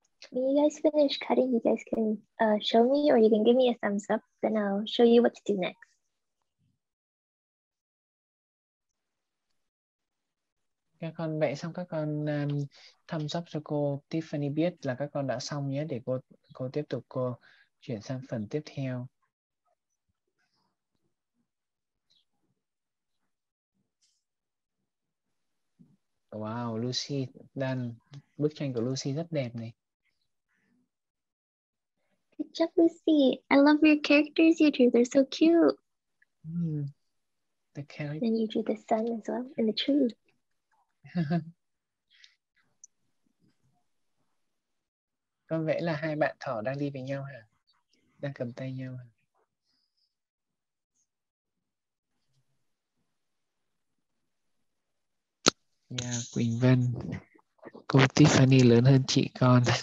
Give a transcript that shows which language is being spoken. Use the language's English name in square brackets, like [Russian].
[English] When you guys finish cutting, you guys can show me or you can give me a thumbs up, then I'll show you what to do next. [Vietnamese] Các con vẽ xong các con thumbs up cho cô Tiffany biết là các con đã xong nhé để cô tiếp tục cô chuyển sang phần tiếp theo. Wow, Lucy đang bức tranh của Lucy rất đẹp này. [English] Good job, Lucy. I love your characters you drew. They're so cute. The character. And you drew the sun as well and the tree. [Vietnamese] Con vẽ là hai bạn thỏ đang đi với nhau hả? Đang cầm tay nhau hả? Yeah, Quỳnh Vân. Cô Tiffany lớn hơn chị con.